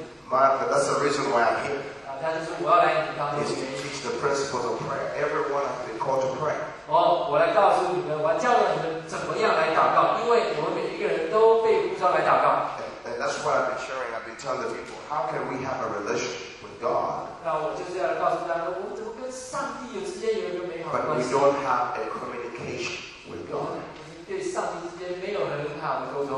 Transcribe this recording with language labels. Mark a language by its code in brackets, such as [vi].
[en] But that's the reason why I'm here. Is to teach the principles of prayer. Everyone has been called to pray. [zh] 我来告诉你们，我要教导你们怎么样来祷告，因为我们每一个人都被呼召来祷告。 [en] And that's what I've been sharing. I've been telling the people, how can we have a relationship with God? [zh] 那我就是要告诉大家，我们怎么跟上帝有之间有一个美好的关系。 [en] But we don't have a communication with God. [zh] 对上帝之间没有很好的沟通。